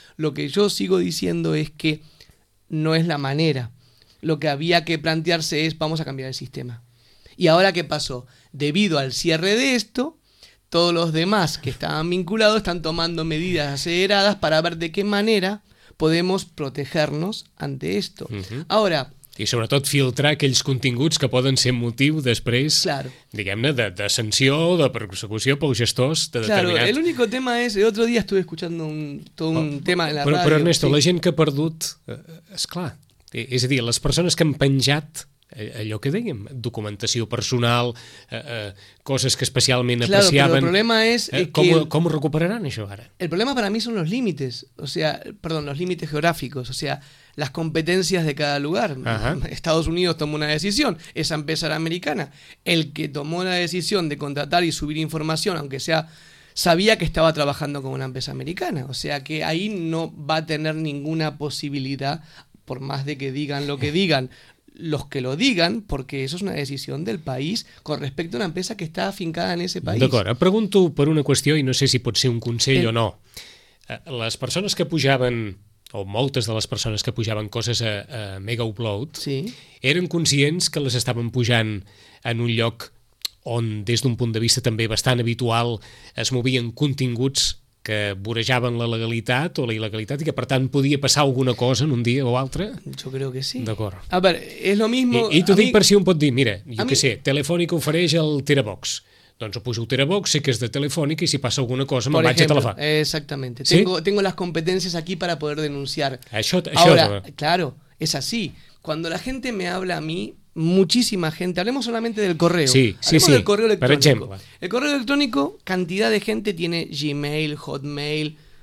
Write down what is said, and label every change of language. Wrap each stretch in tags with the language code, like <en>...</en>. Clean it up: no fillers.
<es>Lo que yo sigo diciendo es que no es la manera. Lo que había que plantearse es, vamos a cambiar el sistema. ¿Y ahora qué pasó? Debido al cierre de esto, todos los demás que estaban vinculados están tomando medidas aceleradas para ver de qué manera podemos protegernos ante esto. Uh-huh. Ahora,</es> <ca>i sobretot filtrar aquells continguts que poden ser motiu després,</ca> <es>claro,</es> <ca>diguem-ne, de sanció o de persecució pels gestors de determinat...</ca> <es>Claro, el único tema és... El otro día estuve escuchando un tema en la ràdio.</es> <ca>Però Ernesto, sí. La gent que ha perdut, esclar, és a dir, les persones que han penjat allò que dèiem, documentació personal, coses que especialment apreciaven... Claro, però el problema és... Com ho recuperaran, això, ara?</ca> <es>El problema para mí son los límites, o sea, perdón, los límites geográficos, o sea, las competencias de cada lugar. Ajá. Estados Unidos tomó una decisión, esa empresa era americana. El que tomó la decisión de contratar y subir información, aunque sea, sabía que estaba trabajando con una empresa americana. O sea que ahí no va a tener ninguna posibilidad, por más de que digan lo que digan, los que lo digan, porque eso es una decisión del país con respecto a una empresa que está afincada en ese país.</es> <ca>D'acord, pregunto per una qüestió i no sé si pot ser un consell o no. Les persones que pujaven... o moltes de les persones que pujaven coses a Mega Upload, sí, eren conscients que les estaven pujant en un lloc on, des d'un punt de vista també bastant habitual, es movien continguts que vorejaven la legalitat o la il·legalitat i que, per tant, podia passar alguna cosa en un dia o altre? Jo crec que sí. D'acord. A veure, és</ca> <es>lo mismo...</es> <ca>I t'ho dic mi... per si un pot dir, mira, jo què mi... sé, Telefònica ofereix el Terabox. Doncs ho pujo al Terabox, sé que és de Telefònica i si passa alguna cosa me'n vaig a telefonar. Exactament. Sí?</ca> <es>Tengo las competencias aquí para poder denunciar.</es> <ca>Això</ca> <es>ahora, claro, es así. Cuando la gente me habla a mí, muchísima gente, hablemos solamente del correo. Sí, sí, hablemos sí. Del correo electrónico.</es> <ca>Per exemple.</ca> <es>El correo electrónico, cantidad de gente tiene Gmail, Hotmail.</es>